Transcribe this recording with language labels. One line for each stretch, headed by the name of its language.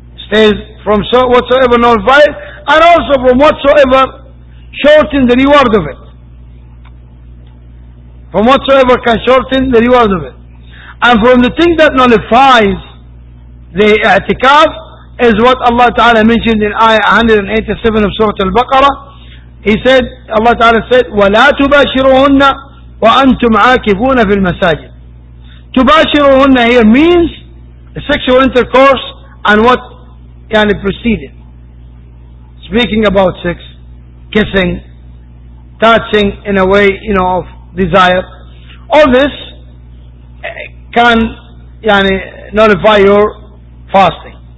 English: Stays from so whatsoever nullified, and also from whatsoever shorten the reward of it. From whatsoever can shorten the reward of it. And from the thing that nullifies the i'tikaf is what Allah Ta'ala mentioned in Ayah 187 of Surah Al-Baqarah. He said, Allah Ta'ala said,
Arabic: وَلَا تُبَاشِرُهُنَّ وَأَنْتُمْ عَاكِفُونَ فِي الْمَسَاجِدِ.
English: تُبَاشِرُهُنَّ here means sexual intercourse and what preceded. Speaking about sex, kissing, touching in a way, of desire. All this can nullify your fasting.